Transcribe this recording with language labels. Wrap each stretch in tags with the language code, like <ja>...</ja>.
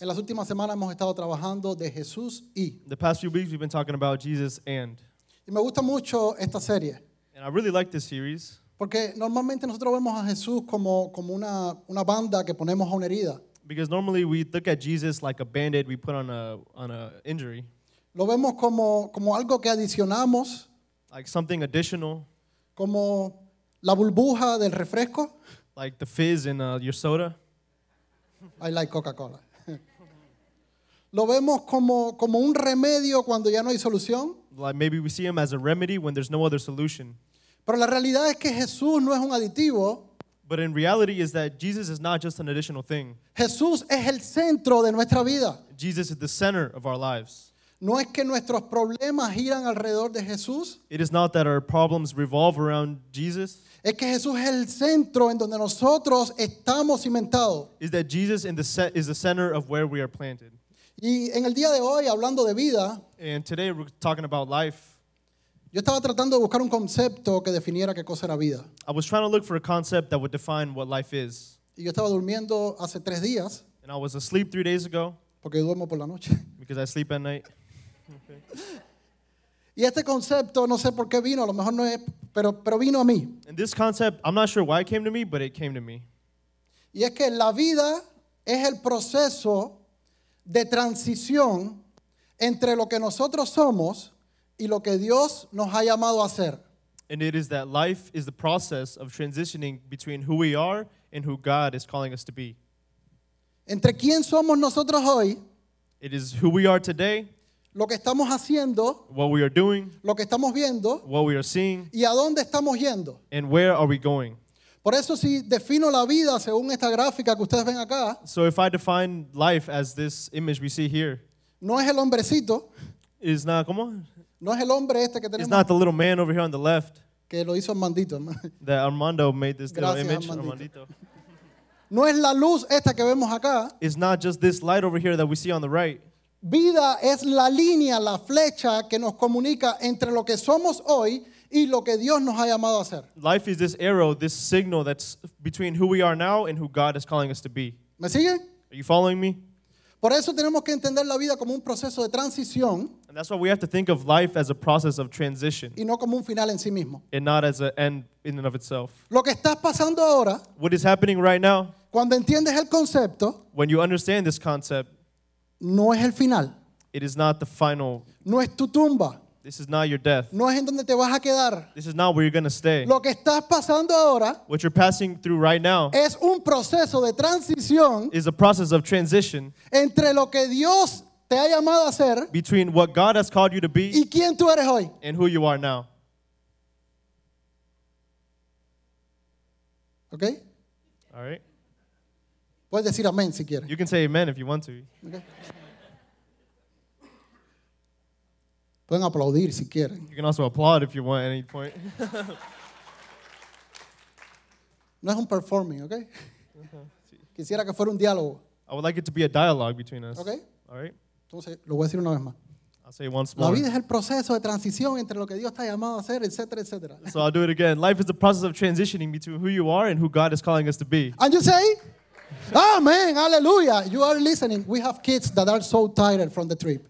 <es>En las últimas semanas hemos estado trabajando de Jesús y.</es> <en>The past few weeks we've been talking about Jesus and.</en> <es>Y me gusta mucho esta serie.</es> <en>And I really like this series.</en> <es>Porque normalmente nosotros vemos a Jesús como una banda que ponemos a una herida.</es> <en>Because normally we look at Jesus like a bandaid we put on a injury.</en> <es>Lo vemos como algo que adicionamos.</es> <en>Like something additional.</en> <es>Como la burbuja del refresco.</es> <en>Like the fizz in your soda. I like Coca-Cola.</en> <es>Lo vemos como un remedio cuando ya no hay solución.</es> <en>Like maybe we see him as a remedy when there's no other solution.</en> <es>Pero la realidad es que Jesús no es un aditivo.</es> <en>But in reality is that Jesus is not just an additional thing.</en> <es>Jesús es el centro de nuestra vida.</es> <en>Jesus is the center of our lives.</en> <es>No es que nuestros problemas giran alrededor de Jesús.</es> <en>It is not that our problems revolve around Jesus.</en> <es>Es que Jesús es el centro en donde nosotros estamos cimentados.</es> <en>Is that Jesus is the center of where we are planted.</en> <es>Y en el día de hoy, hablando de vida,</es> <en>and today we're talking about life.</en> <es>Yo estaba tratando de buscar un concepto que definiera qué cosa era vida.</es> <en>I was trying to look for a concept that would define what life is.</en> <es>Y yo estaba durmiendo hace 3 días.</es> <en>And I was asleep 3 days ago.</en> <es>Porque duermo por la noche.</es> <en>Because I sleep at night.</en> <es>Y este concepto, no sé por qué vino, a lo mejor no es, pero vino a mí.</es> <en>And this concept, I'm not sure why it came to me, but it came to me.</en> <es>Y es que la vida es el proceso de transición entre lo que nosotros somos y lo que Dios nos ha llamado a hacer.</es> <en>And it is that life is the process of transitioning between who we are and who God is calling us to be.</en> <es>Entre quién somos nosotros hoy.</es> <en>It is who we are today.</en> <es>Lo que estamos haciendo.</es> <en>What we are doing.</en> <es>Lo que estamos viendo.</es> <en>What we are seeing.</en> <es>Y a dónde estamos yendo.</es> <en>And where are we going.</en> <es>Por eso si defino la vida según esta gráfica que ustedes ven acá.</es> <en>So if I define life as this image we see here.</en> <es>No es el hombrecito.</es> <en>Is not, come on.</en> <es>No es el hombre este que tenemos.</es> <en>It's not the little man over here on the left.</en> <es>Que lo hizo Armandito.</es> <en>That Armando made this</en> <es>Gracias,</es> <en>little image.</en> <es>Armandito. No es la luz esta que vemos acá.</es> <en>It's not just this light over here that we see on the right.</en> <es>Vida es la línea, la flecha que nos comunica entre lo que somos hoy y lo que Dios nos ha llamado a hacer.</es> <en>Life is this arrow, this signal that's between who we are now and who God is calling us to be.</en> <es>¿Me sigue?</es> <en>Are you following me?</en> <es>Por eso tenemos que entender la vida como un proceso de transición.</es> <en>And that's why we have to think of life as a process of transition.</en> <es>Y no como un final en sí mismo.</es> <en>And not as an end in and of itself.</en> <es>Lo que está pasando ahora,</es> <en>what is happening right now,</en> <es>cuando entiendes el concepto,</es> <en>when you understand this concept,</en> <es>no es el final.</es> <en>It is not the final.</en> <es>No es tu tumba.</es> <en>This is not your death.</en> <es>No es en donde te vas a quedar.</es> <en>This is not where you're going to stay.</en> <es>Lo que estás pasando ahora,</es> <en>what you're passing through right now,</en> <es>es un proceso de transición,</es> <en>is a process of transition,</en> <es>entre lo que Dios te ha llamado a ser,</es> <en>between what God has called you to be,</en> <es>y quién tú eres hoy,</es> <en>and who you are now. Okay? All right.</en> <es>Puedes decir amén si quieres.</es> <en>You can say amen if you want to. Okay.</en> <es>Pueden aplaudir si quieren.</es> <en>You can also applaud if you want at any point.</en> <es>No es un performing, okay? Uh-huh. Quisiera que fuera un diálogo.</es> <en>I would like it to be a dialogue between us. Okay? All right.</en> <es>Entonces, lo voy a decir una vez más.</es> <en>I'll say it once more.</en> <es>La vida es el proceso de transición entre lo que Dios está llamado a hacer, etcétera, etcétera.</es> <en>So I'll do it again. Life is the process of transitioning between who you are and who God is calling us to be. And you say, amen, hallelujah. You are listening. We have kids that are so tired from the trip.</en>